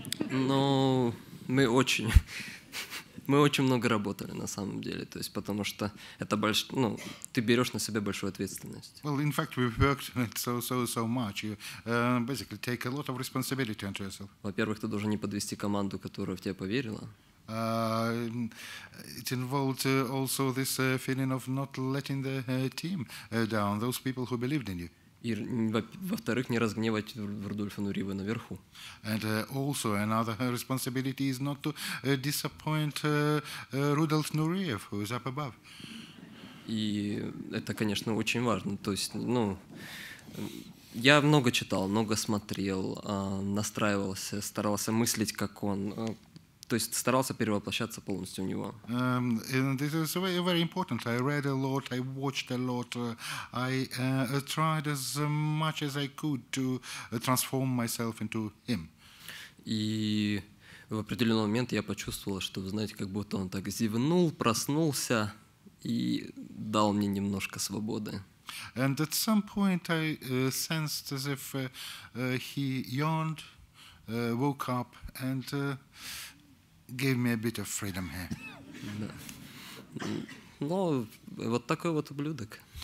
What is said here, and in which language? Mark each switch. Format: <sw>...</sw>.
<ru>Но мы очень много работали на самом деле, то есть потому что это ты берешь на себя большую ответственность.</ru> <en>Well, in fact, we've worked on it so much. You basically take a lot of responsibility onto yourself.</en> <ru>Во-первых, ты должен не подвести команду, которая в тебя поверила.</ru> <en>It involved also this feeling of not letting the team down, those people who believed in you.</en> <ru>И во-вторых, не разгневать Рудольфа Нуреева наверху.</ru> <en>And also another responsibility is not to disappoint Rudolf Nureyev, who is up above.</en> <ru>И это, конечно, очень важно. То есть, я много читал, много смотрел, настраивался, старался мыслить как он. То есть старался перевоплощаться полностью у него.</ru> <en>This is very important. I read a lot, I watched a lot. I tried as much as I could to transform myself into him.</en> <ru>И в определенный момент я почувствовал, что, знаете, как будто он так зевнул, проснулся и дал мне немножко свободы.</ru> <en>And at some point I sensed as if he yawned, woke up and... gave me a bit of freedom here.</en> <ru>Ну, вот такой вот ублюдок.</ru>